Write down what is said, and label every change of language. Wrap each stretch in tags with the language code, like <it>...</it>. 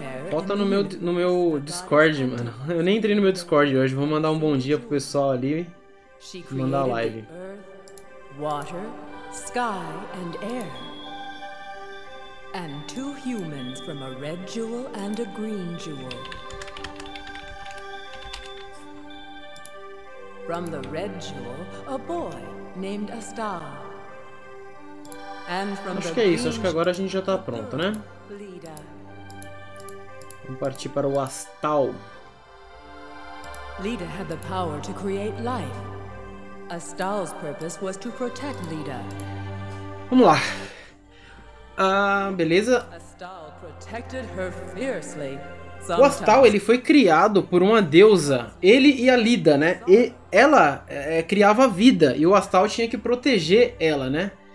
<pt>Bota no meu Discord, mano. Eu nem entrei no meu Discord hoje. Vou mandar um bom dia pro pessoal ali e mandar a live.</pt> <en>Water, sky and air. And two humans from a red jewel and a green jewel. From the Red Jewel, a boy named Astal. And from</en> <pt>acho que é isso, acho que agora a gente já tá pronto, né? Vamos partir para o Astal.</pt> <en>Lida had the power to create life. Astal's purpose was to protect Lida.</en> <pt>Vamos lá. Beleza.</pt> <en>Astal protected her fiercely.</en> <pt>O Astal, ele foi criado por uma deusa, ele e a Lida, né? E ela criava vida e o Astal tinha que proteger ela, né?</pt>